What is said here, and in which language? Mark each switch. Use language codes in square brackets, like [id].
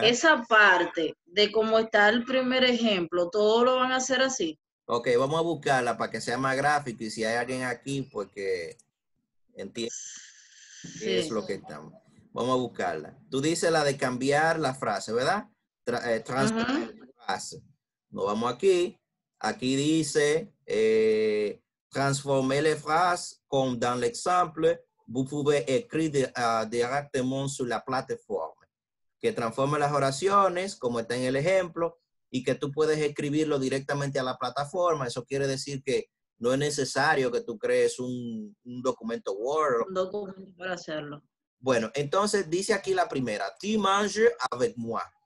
[es] Esa parte de cómo está el primer ejemplo, ¿todos lo van a hacer así? Ok, vamos a buscarla para que sea más gráfico y si hay alguien aquí, pues que entienda sí. Qué es lo que estamos. Vamos a buscarla. Tú dices la de cambiar la frase, ¿verdad? Transformar la frase. Nos vamos aquí Aquí dice, [fr] transformer les phrases comme dans l'exemple, vous pouvez écrire directement sur la plateforme. [es] Que transforme las oraciones, como está en el ejemplo, y que tú puedes escribirlo directamente a la plataforma. Eso quiere decir que no es necesario que tú crees un documento Word. Un documento para hacerlo. Bueno, entonces dice aquí la primera, [fr] tu manges avec moi.